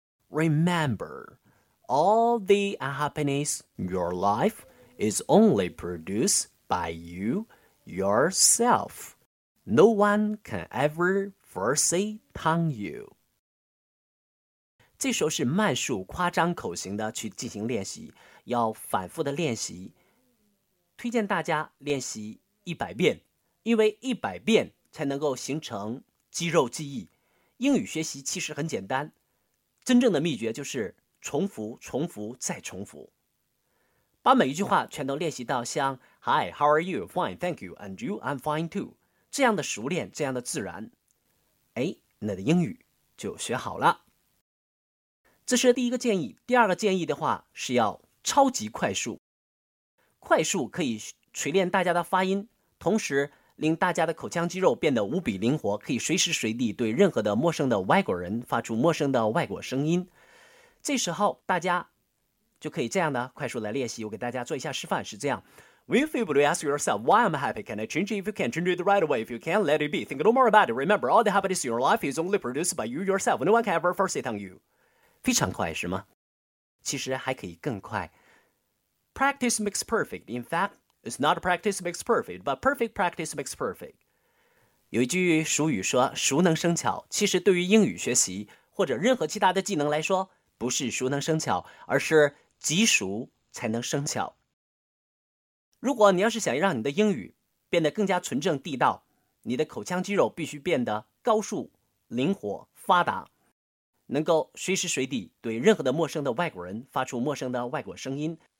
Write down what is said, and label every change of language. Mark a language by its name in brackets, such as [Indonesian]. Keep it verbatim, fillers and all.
[English] Remember,All the unhappiness in your life is only produced by you, yourself. No one can ever force it on you. [Chinese] 这时候是慢速、夸张口型的去进行练习，要反复的练习。推荐大家练习一百遍，因为一百遍才能够形成肌肉记忆。英语学习其实很简单，真正的秘诀就是重复重复再重复，把每一句话全都练习到像 [English] Hi, how are you? Fine, thank you. And you, I'm fine too. [Chinese] 这样的熟练，这样的自然，哎，你的英语就学好了。这是第一个建议。第二个建议的话是要超级快速。快速可以锤炼大家的发音，同时令大家的口腔肌肉变得无比灵活，可以随时随地对任何的陌生的外国人发出陌生的外国声音。这时候大家就可以这样的快速来练习。我给大家做一下示范，是这样 [English] When you feel blue, ask yourself, why am I happy? Can I change it? If you can, change it right away. If you can, let it be. Think no more about it. Remember, all the happiness in your life is only produced by you yourself. No one can ever force it on you. [Chinese] 非常快是吗？其实还可以更快。 [English] Practice makes perfect. In fact, it's not practice makes perfect, but perfect practice makes perfect. [Chinese] 有一句俗语说，熟能生巧。其实对于英语学习，或者任何其他的技能来说，不是熟能生巧，而是极熟才能生巧。如果你要是想让你的英语变得更加纯正地道，你的口腔肌肉必须变得高速、灵活、发达，能够随时随地对任何的陌生的外国人发出陌生的外国声音。